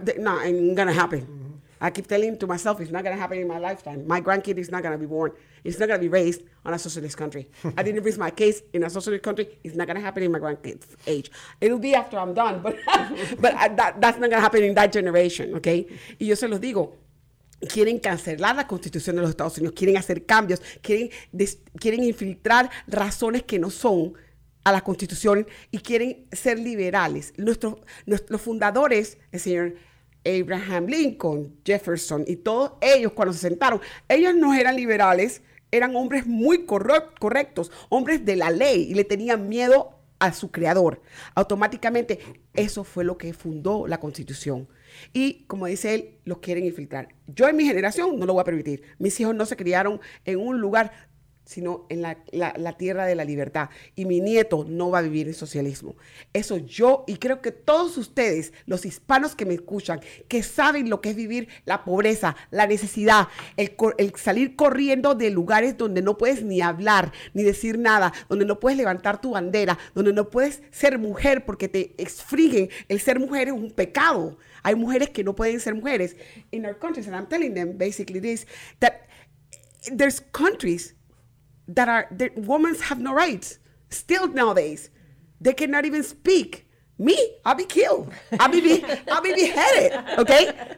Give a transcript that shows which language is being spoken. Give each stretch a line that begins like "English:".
English: No, it ain't gonna happen. Mm-hmm. I keep telling to myself, it's not going to happen in my lifetime. My grandkid is not going to be born. It's not going to be raised on a socialist country. I didn't raise my case in a socialist country. It's not going to happen in my grandkid's age. It'll be after I'm done, but that's not going to happen in that generation, okay?
Spanish: Y yo se los digo, quieren cancelar la Constitución de los Estados Unidos, quieren hacer cambios, quieren infiltrar razones que no son a la Constitución y quieren ser liberales. Los fundadores, el señor Abraham Lincoln, Jefferson y todos ellos cuando se sentaron, ellos no eran liberales, eran hombres muy correctos, hombres de la ley y le tenían miedo a su creador. Automáticamente eso fue lo que fundó la Constitución. Y como dice él, los quieren infiltrar. Yo en mi generación no lo voy a permitir. Mis hijos no se criaron en un lugar, sino en la tierra de la libertad. Y mi nieto no va a vivir en socialismo. Eso yo, y creo que todos ustedes, los hispanos que me escuchan, que saben lo que es vivir la pobreza, la necesidad, el salir corriendo de lugares donde no puedes ni hablar, ni decir nada, donde no puedes levantar tu bandera, donde no puedes ser mujer porque te exfriguen. El ser mujer es un pecado. Hay mujeres que no pueden ser mujeres.
English: In our countries, and I'm telling them basically this, that there's countries that are, that women have no rights, still nowadays. They cannot even speak. Me, I'll be killed. I'll be beheaded, okay?